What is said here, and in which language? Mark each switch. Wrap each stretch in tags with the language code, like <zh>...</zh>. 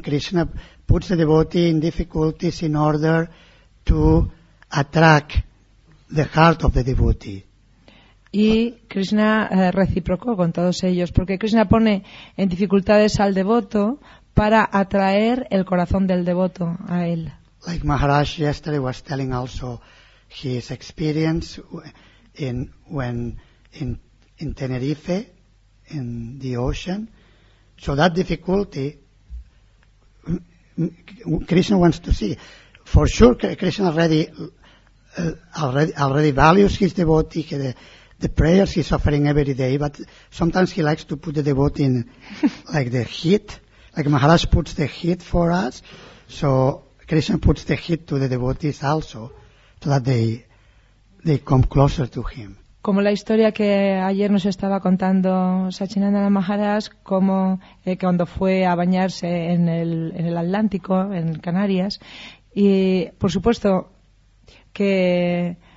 <en>Krishna puts the devotee in difficulties in order to attract the heart of the devotee.</en> <es>Y Krishna reciprocó con todos ellos, porque Krishna pone en dificultades al devoto para atraer el corazón del devoto a él.</es> <en>Like Maharaj yesterday was telling also his experience in Tenerife, in the ocean. So that difficulty, Krishna wants to see. For sure, Krishna already values his devotee, the prayers he's offering every day, but sometimes he likes to put the devotee in like the heat, like Maharaj puts the heat for us, so Krishna puts the heat to the devotees also, so that they come closer to him.</en> <es>Como la historia que ayer nos estaba contando Sachinandana Maharaj, como cuando fue a bañarse en el Atlántico, en Canarias, y por supuesto que</es>